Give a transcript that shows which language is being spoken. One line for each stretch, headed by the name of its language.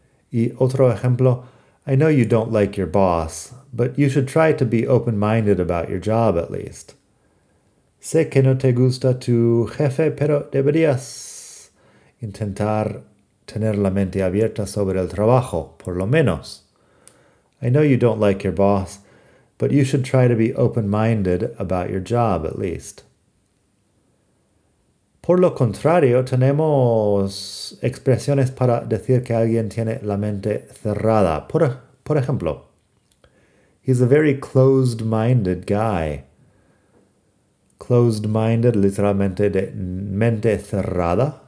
Spanish: Y otro ejemplo,
English: I know you don't like your boss, but you should try to be open-minded about your job at least.
Spanish: Sé que no te gusta tu jefe, pero deberías intentar tener la mente abierta sobre el trabajo, por lo menos.
English: I know you don't like your boss, but you should try to be open-minded about your job, at least.
Spanish: Por lo contrario, tenemos expresiones para decir que alguien tiene la mente cerrada. Por ejemplo,
English: he's a very closed-minded guy.
Spanish: Closed-minded, literalmente de mente cerrada.